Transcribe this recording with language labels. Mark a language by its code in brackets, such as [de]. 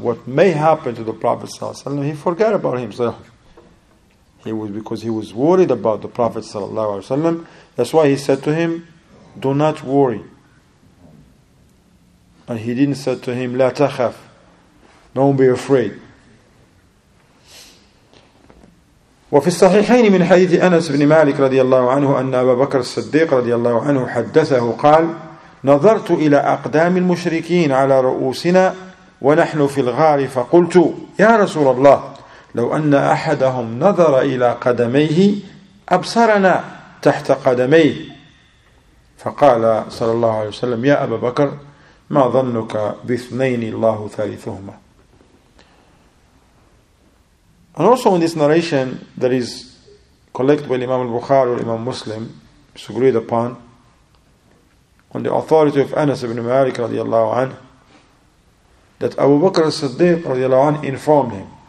[en] What may happen to the Prophet sallallahu alaihi wasallam? He forgot about himself. He was, because he was worried about the Prophet sallallahu alaihi wasallam. That's why he said to him, "Do not worry." And he didn't say to him, "La takhaf," don't be afraid. [ar] وفي الصحيحين من حديث أنس بن مالك رضي الله عنه أن أبا بكر الصديق رضي الله عنه حدثه قال نظرت إلى أقدام المشركين على رؤوسنا ونحن في الغار فقلت يا رسول الله لو أن أحدهم نظر إلى قدميه أبصرنا تحت قدميه. فقال صلى الله عليه وسلم يا أبا بكر ما ظنك باثنين الله ثالثهما. [en] And also in this narration that is collected by Imam al-Bukhari or Imam Muslim, it's agreed upon on the authority of Anas ibn Malik radiallahu anhu, that Abu Bakr as-Siddiq radiallahu anhu informed him.